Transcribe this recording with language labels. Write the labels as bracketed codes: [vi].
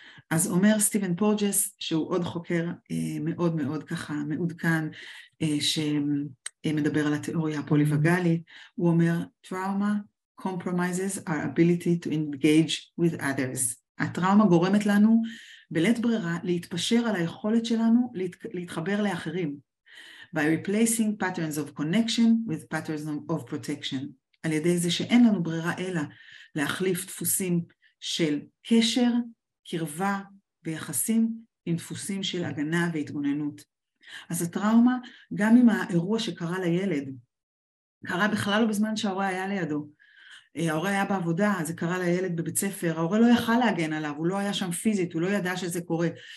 [he] אז אומר סטיבן פורג'ס, שהוא עוד חוקר מאוד מאוד ככה, מעודכן, שמדבר על התיאוריה הפוליווגלית, הוא אומר, [en] "Trauma compromises our ability to engage with others." [he] הטראומה גורמת לנו, בלית ברירה, להתפשר על היכולת שלנו להתחבר לאחרים. [en] By replacing patterns of connection with patterns of protection. [he] על ידי זה שאין לנו ברירה אלא להחליף דפוסים של קשר, קרבה ויחסים עם דפוסים של הגנה והתגוננות. אז הטראומה, גם אם האירוע שקרה לילד, קרה בכלל לא בזמן שההורה היה לידו, ההורה היה בעבודה, זה קרה לילד בבית ספר, ההורה לא יכל להגן עליו, הוא לא היה שם פיזית, הוא לא ידע שזה קורה.